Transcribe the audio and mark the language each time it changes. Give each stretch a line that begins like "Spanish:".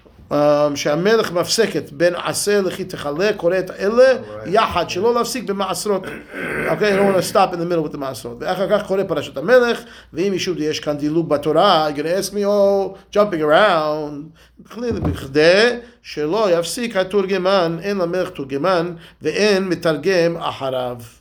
Hebrew: שהמלך מפסקת בין עשה לכי תחלה קורא את אלה יחד שלא להפסיק במעשרות.
English: Okay, I don't want to stop in the middle with the מעשרות.
Hebrew: ואחר כך קורא פרשת המלך, ואם ישוב יש כאן דילוג בתורה,
English: you're going to ask me, oh, jumping around.
Hebrew: בכדי שלא יפסיק התורגמן, אין למלך תורגמן, ואין מתרגם אחריו.